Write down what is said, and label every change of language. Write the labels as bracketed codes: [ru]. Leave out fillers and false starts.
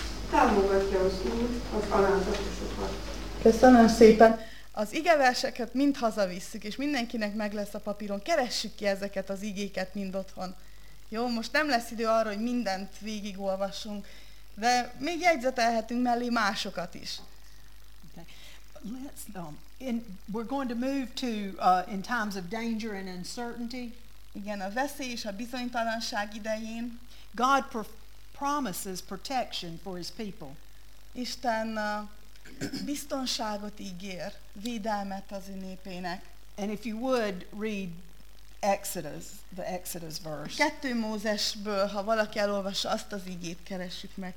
[hu] Támogatja az Úr az alázatosokat. Köszönöm szépen! Az igeverseket mind hazavisszük, és mindenkinek meg lesz a papíron. Keressük ki ezeket az igéket mind otthon. Jó, most nem lesz idő arra, hogy mindent végigolvassunk, de még jegyzetelhetünk mellé másokat is. [en] Okay. Let's, we're going to move to in times of danger and uncertainty. [hu] Igen, a veszély és a bizonytalanság idején. [en] God promises protection for his people. [hu] Isten biztonságot ígér, védelmet az ő népének. [en] And if you would read Exodus, the Exodus verse. [hu] 2 Mózesből, ha valaki elolvassa, azt az igét keressük meg.